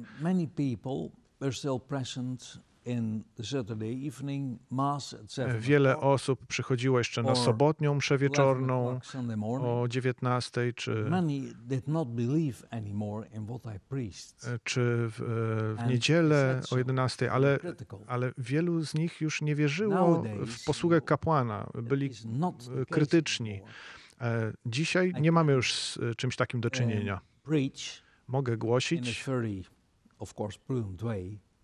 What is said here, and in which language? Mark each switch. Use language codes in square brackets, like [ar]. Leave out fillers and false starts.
[en] many people were still present. In Saturday evening mass at 7 o'clock, [pl] wiele osób przychodziło jeszcze na sobotnią mszę wieczorną o 19:00, czy [en] many did not believe anymore in what I preached. [pl] Czy w niedzielę o 11:00, ale wielu z nich już nie wierzyło w posługę kapłana, byli krytyczni. Dzisiaj nie mamy już z czymś takim do czynienia. Mogę głosić [en] in a very, of course, prudent way.